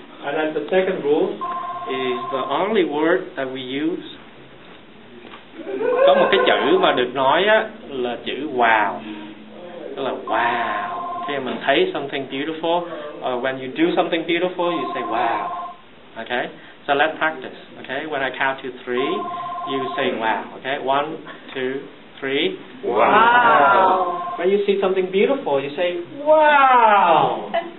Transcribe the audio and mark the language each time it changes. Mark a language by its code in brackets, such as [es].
[en] And then the second rule is the only word that we use. [vi] Có một cái chữ mà được nói á là chữ wow. Tức là wow. Khi mình thấy [en] something beautiful, or when you do something beautiful, you say wow. Okay, so let's practice. Okay, when I count to three, you say wow. Okay, one, two, three. Wow. When you see something beautiful, you say wow.